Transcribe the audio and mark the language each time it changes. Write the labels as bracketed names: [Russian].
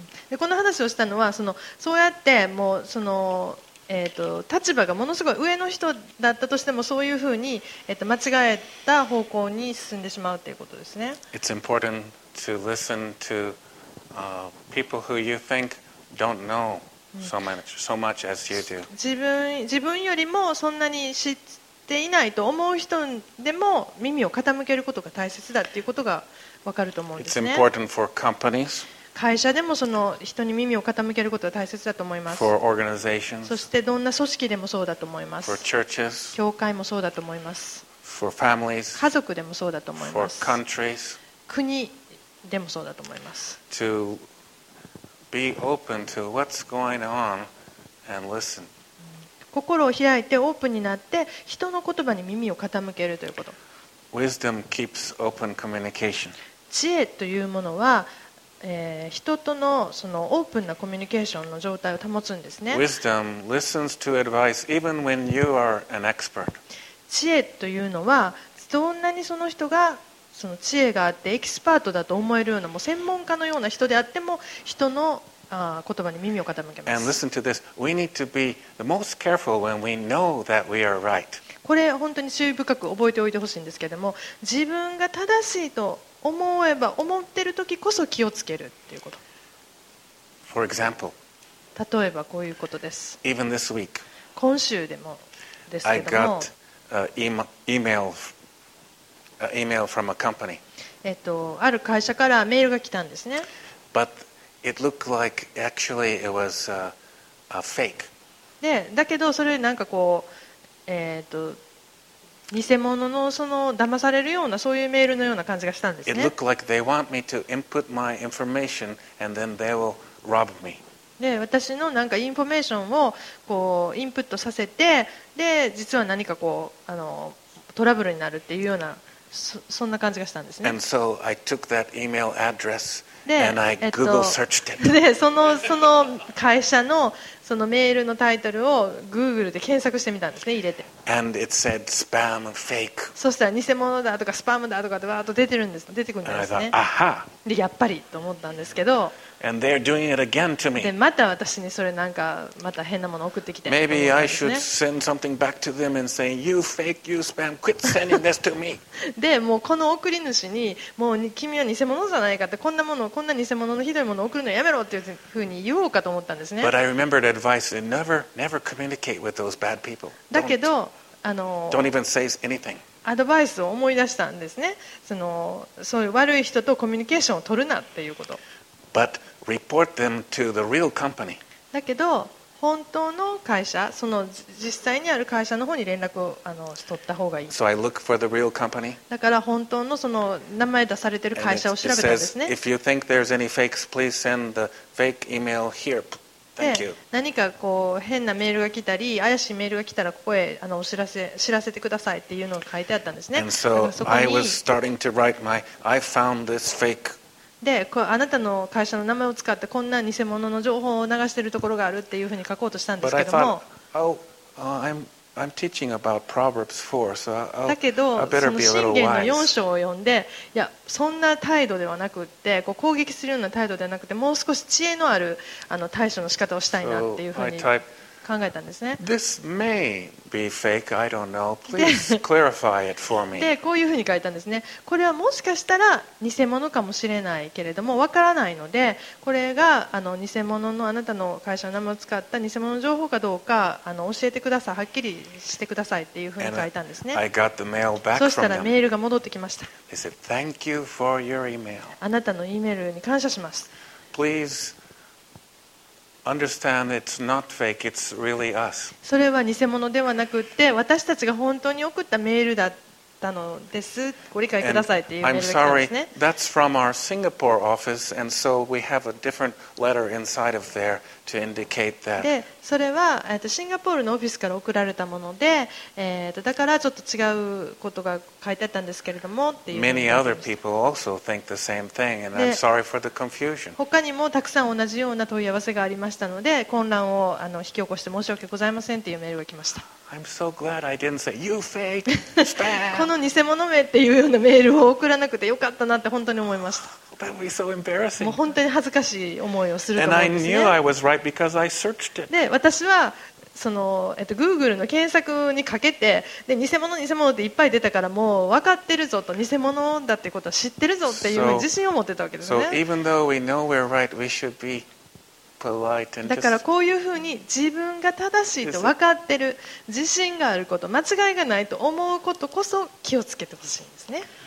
[Japanese] でこの話をしたのは、そうやってもうその、立場がものすごい上の人だったとしても、そういうふうに、間違えた方向に進んでしまうということですね。 [English] It's important to listen to, people who you think don't know so much as you do. [Japanese] 自分よりもそんなに知っていないと思う人でも耳を傾けることが大切だということが分かると思うんですね。 [English] It's important for companies. [Japanese] 会社でもその人に耳を傾けることが大切だと思います。 [English] For organizations, [Japanese] そしてどんな組織でもそうだと思います。 [English] For churches, [Japanese] 教会もそうだと思います。 [English] For families, [Japanese] 家族でもそうだと思います。 [English] For countries, [Japanese] 国でもそうだと思います。 [English] To be open to what's going on and listen. [Japanese] 心を開いてオープンになって人の言葉に耳を傾けるということ。 [English] Wisdom keeps open communication. [Japanese] 知恵というものは人と の, そのオープンなコミュニケーションの状態を保つんですね。 [English] Wisdom listens to advice even when you are an expert. [Japanese] 知恵というのはどんなにその人がその知恵があってエキスパートだと思えるようなもう専門家のような人であっても人の言葉に耳を傾けます。 [English] And listen to this. We need to be the most careful when we know that we are right. [Japanese] これ本当に注意深く覚えておいてほしいんですけれども、自分が正しいと思えば思ってる時こそ気をつけるっていうこと。 [English] For example, [Japanese] 例えばこういうことです。 [English] Even this week, [Japanese] 今週でもですけども、 [English] I got an email from a company. [Japanese] ある会社からメールが来たんですね。 [English] But it looked like actually it was a fake. [Japanese] で、だけどそれなんかこう偽物のその騙されるようなそういうメールのような感じがしたんですね。 [English] It looked like they want me to input my information and then they will rob me. [Japanese] で、私のなんかインフォメーションをこうインプットさせて、で、実は何かこうトラブルになるっていうような そんな感じがしたんですね。 [English] And so I took that email address and I Google searched it. [Japanese] で、その会社のそのメールのタイトルを Google で検索してみたんですね、入れて。 [English] And it said spam fake. [Japanese] そしたら偽物だとかスパムだとかってわーっと出てるんです、出てくるんですね。 [English] And I thought, aha. [Japanese] で、やっぱりと思ったんですけど。 [English] And they're doing it again to me. [Japanese] で、また私にそれなんかまた変なもの送ってきて。 [English] Maybe I should send something back to them and say, you fake, you spam, quit sending this to me. [Japanese] で、もうこの送り主に、もう君は偽物じゃないかって、こんなものこんな偽物のひどいものを送るのやめろっていうふうに言おうかと思ったんですね。 [English] But I remembered advice and never communicate with those bad people. [Japanese] だけど、 [English] Don't even say anything. [Japanese] アドバイスを思い出したんですね。そういう悪い人とコミュニケーションを取るなっていうこと。 [English] But report them to the real company. [Japanese] だけど本当の会社、その実際にある会社の方に連絡を取った方がいい。 [English] So I look for the real company. [Japanese] だから本当のその名前出されている会社を調べたんですね。 [English] And it says, if you think there's any fakes, please send the fake email here. [Japanese] で、何かこう変なメールが来たり怪しいメールが来たらここへお知らせてくださいっていうのが書いてあったんですね。 [English] And so I was starting to write my I found this fake. [Japanese] で、あなたの会社の名前を使ってこんな偽物の情報を流しているところがあるっていうふうに書こうとしたんですけども、 [English] But I thought, oh, I'm, I'm teaching about Proverbs 4, so [Japanese] だけど、その箴言の4章を読んで、いや、そんな態度ではなくって、こう攻撃するような態度ではなくて、もう少し知恵のあるあの対処の仕方をしたいなっていうふうに考えたんですね。 [English] This may be fake, I don't know. Please clarify it for me. [Japanese] で、こういうふうに書いたんですね。これはもしかしたら偽物かもしれないけれども、わからないので、これがあの偽物のあなたの会社の名前を使った偽物の情報かどうかあの教えてください。はっきりしてくださいっていうふうに書いたんですね。 [English] I got the mail back from them. [Japanese] そしたらメールが戻ってきました。 [English] They said, "Thank you for your email." [Japanese] あなたの E メールに感謝します。 [English] Please. Understand, it's not fake. It's really us. [Japanese] それは偽物ではなくて私たちが本当に送ったメールだったのですご理解くださいっていうメールが来たんですね。 [English] I'm sorry, that's from our Singapore office, and so we have a different letter inside of there to indicate that. [Japanese] で、それはシンガポールのオフィスから送られたもので、だからちょっと違うことが書いてあったんですけれどもっていう。 [English] Many other people also think the same thing, and I'm sorry for the confusion. [Japanese] 他にもたくさん同じような問い合わせがありましたので、混乱をあの引き起こして申し訳ございませんっていうメールが来ました。 [English] I'm so glad I didn't say you fake. [Japanese] この偽物名っていうようなメールを送らなくてよかったなって本当に思いました。 [English] That would be so embarrassing. [Japanese] もう本当に恥ずかしい思いをすると思うんですね。 [English] And I knew I was right because I searched it. [Japanese] で、私はその、Google の検索にかけて、で、偽物っていっぱい出たからもう分かってるぞと、偽物だってことは知ってるぞっていう自信を持ってたわけですね。 [English] So even though we know we're right, we should be. [Japanese] だからこういうふうに自分が正しいと分かってる自信があること間違いがないと思うことこそ気をつけてほしいんですね。